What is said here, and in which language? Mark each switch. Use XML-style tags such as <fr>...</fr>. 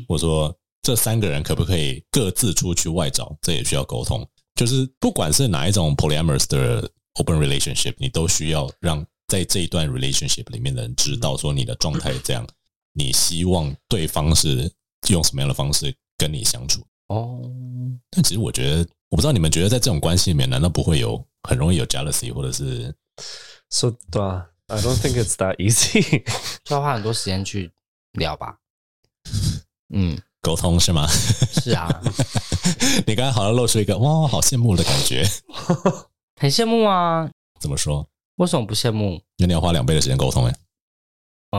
<zh>或者说这三个人可不可以各自出去外找，这也需要沟通，就是不管是哪一种 polyamorous 的 open relationship， 你都需要让在这一段 relationship 里面的人知道说你的状态是这样，你希望对方是用什么样的方式跟你相处哦，但其实我觉得，我不知道你们觉得在这种关系里面，难道不会有很容易有 jealousy， 或者是说、</zh> <en>so,</en> <zh>对啊</zh> <en>，I don't think it's that easy，</en> <zh>就要花很多时间去聊吧。嗯，沟通是吗？是啊，你刚才好像露出一个哇，好羡慕的感觉，很羡慕啊。怎么说？为什么不羡慕？因为你要花两倍的时间沟通哎、欸。</zh>